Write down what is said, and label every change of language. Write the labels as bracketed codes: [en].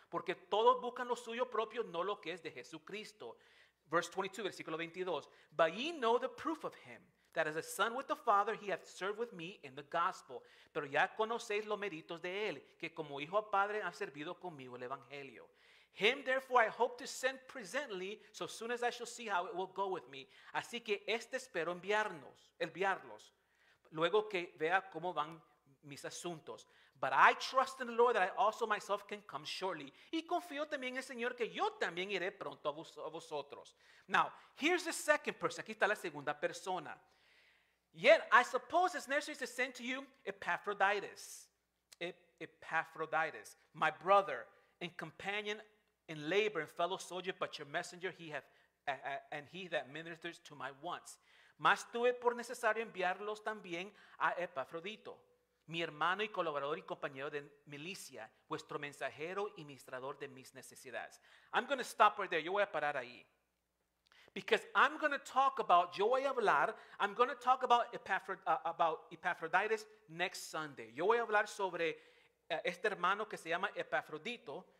[es] Porque todos buscan lo suyo propio, no lo que es de Jesucristo. [en] Verse 22, [es] versículo 22. [en] But ye know the proof of him, that as a son with the father, he hath served with me in the gospel. [es] Pero ya conocéis los méritos de él, que como hijo a padre ha servido conmigo el evangelio. [en] Him therefore I hope to send presently, so soon as I shall see how it will go with me. [es] Así que este espero enviarlos, luego que vea cómo van mis asuntos. [en] But I trust in the Lord that I also myself can come shortly. [es] Y confío también en el Señor que yo también iré pronto a vosotros. [en] Now, here's the second person. [es] Aquí está la segunda persona. [en] Yet, I suppose it's necessary to send to you Epaphroditus. Epaphroditus, my brother and companion in labor and fellow soldier, but your messenger and he that ministers to my wants. [es] Mas tuve por necesario enviarlos también a Epafrodito, mi hermano y colaborador y compañero de milicia, vuestro mensajero y ministrador de mis necesidades. [en] I'm going to stop right there. [es] Yo voy a parar ahí. [en] Because I'm going to talk about, [es] yo voy a hablar, [en] I'm going to talk about Epaphroditus next Sunday. [es] Yo voy a hablar sobre este hermano que se llama Epafrodito.